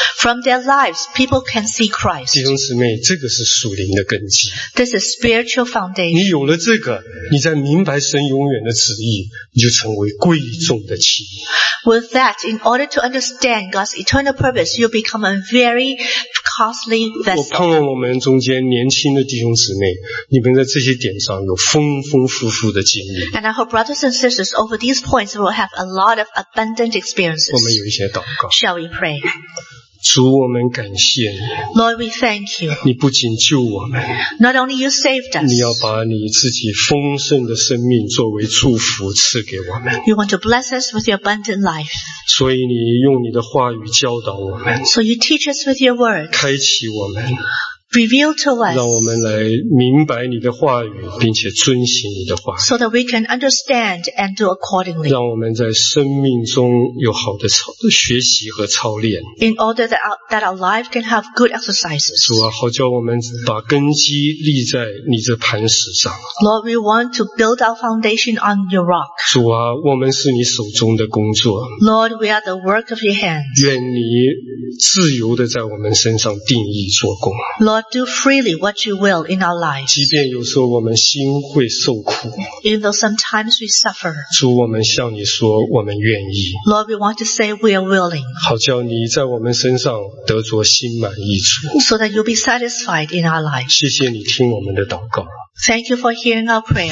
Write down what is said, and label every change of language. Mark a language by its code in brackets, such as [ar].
[en] From their lives, people can see Christ. [zh] 弟兄姊妹，这个是属灵的根基。 [en] This is spiritual foundation. [zh] 你有了这个，你在明白神永远的旨意，你就成为贵重的器。 [en] With that, in order to understand God's eternal purpose, you become a very costly vessel. [zh] 我盼望我们中间年轻的弟兄姊妹，你们在这些点上有丰丰。 [en] And I hope brothers and sisters over these points will have a lot of abundant experiences. [zh] 我们有一些祷告。 [en] Shall we pray? [zh] 主，我们感谢你。 [en] Lord, we thank you. [zh] 你不仅救我们。 [en] Not only you saved us. [zh] 你要把你自己丰盛的生命作为祝福赐给我们。 [en] You want to bless us with your abundant life. [zh] 所以你用你的话语教导我们。 [en] So you teach us with your word. [zh] 开启我们。 [en] Reveal to us, [zh] 让我们来明白你的话语，并且遵行你的话语。 [en] So that we can understand and do accordingly. [zh] 让我们在生命中有好的学习和操练。 [en] In order that our life can have good exercises. [zh] 主啊，好叫我们把根基立在你这磐石上。 [en] Lord, we want to build our foundation on your rock. [zh] 主啊，我们是你手中的工作。 [en] Lord, we are the work of your hands. [zh] 愿你自由地在我们身上定义做工。 [en] Lord, Lord, do freely what you will in our lives. [zh] 即便有时候我们心会受苦。 [en] Even though sometimes we suffer. [zh] 主，我们向你说我们愿意。 [en] Lord, we want to say we are willing. [zh] 好叫你在我们身上得着心满意足。 [en] So that you'll be satisfied in our lives. [zh] 谢谢你听我们的祷告。 [en] Thank you for hearing our prayers.